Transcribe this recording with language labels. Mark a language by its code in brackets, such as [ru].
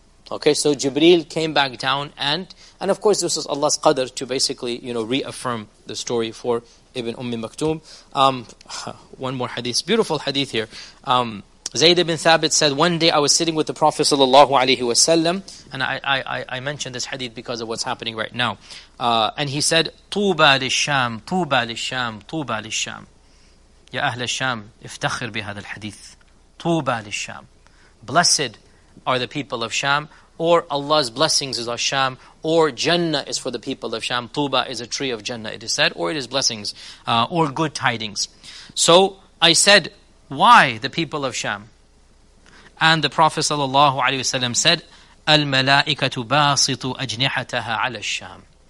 [en] Okay, so Jibreel came back down and of course this was Allah's qadr to basically, you know, reaffirm the story for Ibn Umm Maktum. One more hadith, beautiful hadith here. Zayd ibn Thabit said, one day I was sitting with the Prophet sallallahu alaihi wasallam, and I mentioned this hadith because of what's happening right now. And he said, [ar] طُوبَى لِلشَّام, طُوبَى لِلشَّام, طُوبَى لِلشَّام. يَا أَهْلَ الشَّام, افْتَخِرْ بِهَذَا الْحَدِيثِ. طُوبَى لِلشَّام. [en] Blessed are the people of Sham, or Allah's blessings is on Sham, or Jannah is for the people of Sham. Tuba is a tree of Jannah, it is said, or it is blessings, or good tidings. So I said, why the people of Sham? And the Prophet sallallahu alaihi wasallam said, [ar] Al malaikatu basitu ajnihataha ala Sham.